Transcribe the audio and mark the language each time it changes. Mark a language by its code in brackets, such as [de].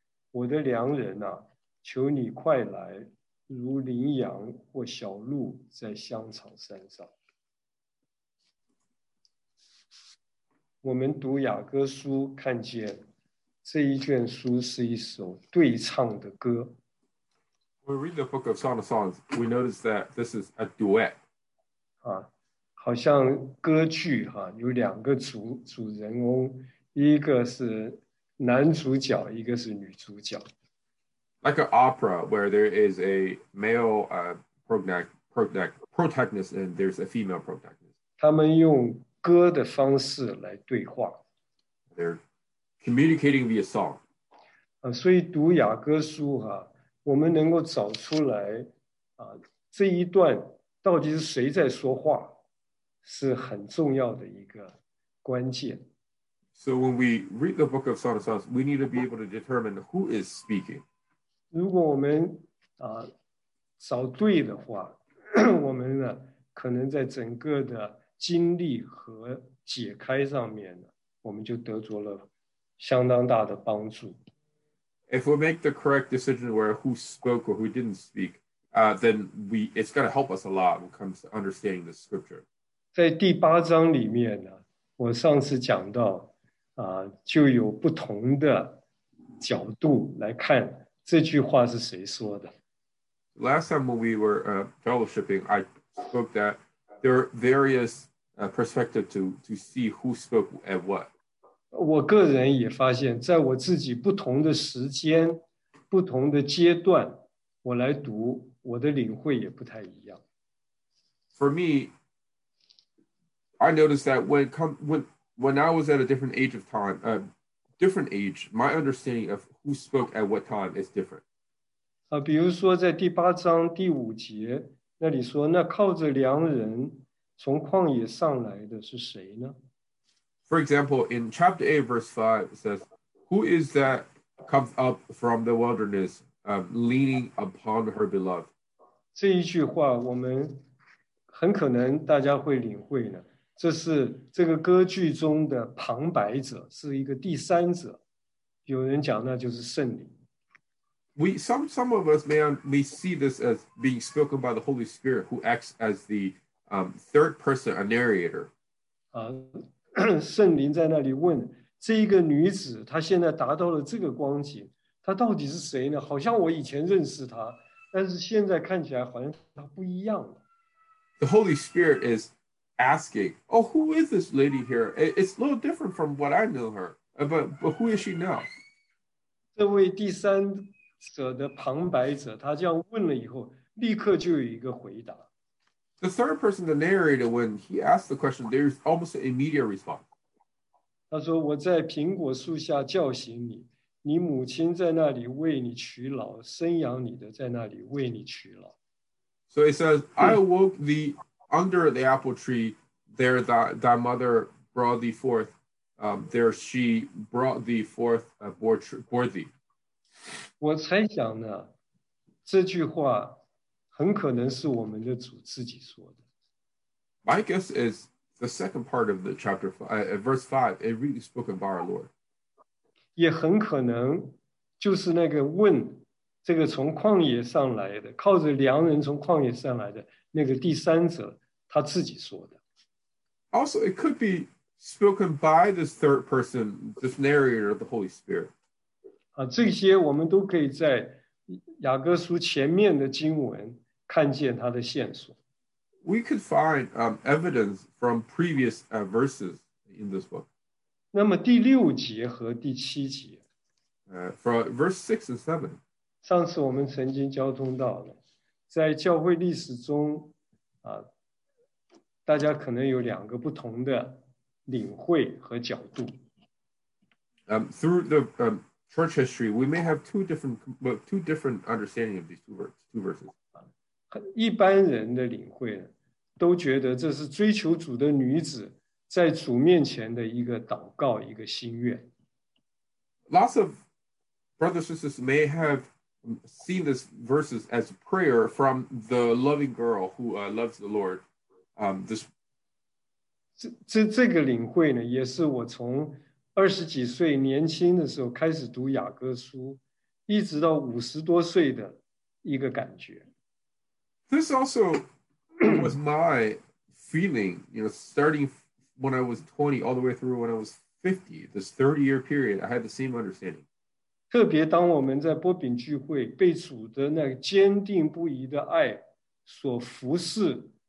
[zh] 我的良人啊，求你快来，如羚羊或小鹿在香草山上。我们读雅歌书，看见这一卷书是一首对唱的歌。 [en] We read the book of Song of Songs, we notice that this is a duet. [zh] 好像歌剧哈，有两个主人翁，一个是男主角，一个是女主角。 [en] Like an opera where there is a male protagonist and there's a female protagonist. [zh] 他们用歌的方式来对话。 [en] They're communicating via song. [zh] 所以读雅歌书哈，我们能够找出来这一段到底是谁在说话，是很重要的一个关键。 [en] So when we read the book of Song of Songs, we need to be able to determine who is speaking. [zh] 如果我们找对的话，我们呢可能在整个的经历和解开上面呢，我们就得着了相当大的帮助。 [en] If we make the correct decision where who spoke or who didn't speak, then it's going to help us a lot when it comes to understanding the scripture. [zh] 在第八章里面呢，我上次讲到就有不同的角度来看这句话是谁说的？ [en] Last time when we were fellowshipping, I spoke that there are various perspectives to see who spoke at what. [zh] 我个人也发现，在我自己不同的时间、不同的阶段，我来读，我的领会也不太一样。 [en] For me, I noticed that when I was at a different age of time, different age, my understanding of who spoke at what time is different. [zh] 比如说在第八章第五节，那里说，那靠着良人从旷野上来的是谁呢？ [en] For example, in chapter 8, verse 5, it says, who is that comes up from the wilderness, leaning upon her beloved? [zh] 这一句话我们很可能大家会领会呢。这是这个歌剧中的旁白者，是一个第三者。有人讲，那就是圣灵。 [en] We some of us may see this as being spoken by the Holy Spirit, who acts as the third person, a narrator. [zh] 圣灵在那里问这一个女子，她现在达到了这个光景，她到底是谁呢？好像我以前认识她，但是现在看起来好像她不一样了。 [en] The Holy Spirit is. Asking, oh, who is this lady here? It's a little different from what I know her, but who is she now? [zh] 这位第三者的旁白者，他这样问了以后，立刻就有一个回答。 [en] The third person, the narrator, when he asked the question, there's almost an immediate response. [zh] 他说，我在苹果树下叫醒你，你母亲在那里为你娶老，生养你的在那里为你娶老。 [en] So it says, I awoke the... Under the apple tree, there thy mother brought thee forth. There she brought thee forth, bore thee. [zh] 我猜想呢，这句话很可能是我们的主自己说的。 [en] My guess is the second part of the chapter, verse 5, it really spoken by our Lord. [zh] 也很可能就是那个问这个从旷野上来的，靠着良人从旷野上来的那个第三者。他自己说的。 [en] Also, it could be spoken by this third person, this narrator of the Holy Spirit. [zh] 这些我们都可以在雅各书前面的经文看见他的线索。 [en] We could find evidence from previous verses in this book. [zh] 那么第六节和第七节。 [en] From verse 6 and 7. [zh] 上次我们曾经交通到了，在教会历史中大家可能有两个不同的领会和角度。 [en] Through the church history, we may have two different understanding of these two verses. [zh] 一般人的领会都觉得这是追求主的女子在主面前的一个祷告，一个心愿。 [en] Lots of brothers and sisters may have seen these verses as prayer from the loving girl who loves the Lord. [zh] 这个领会呢，也是我从二十几岁年轻的时候开始读雅各书，一直到五十多岁的一个感觉。 [en] This also was my feeling, you know, starting when I was 20 all the way through when I was 50. This 30-year period, I had the same understanding. [zh] 特别当我们在波饼聚会被主的那坚定不移的爱所服侍。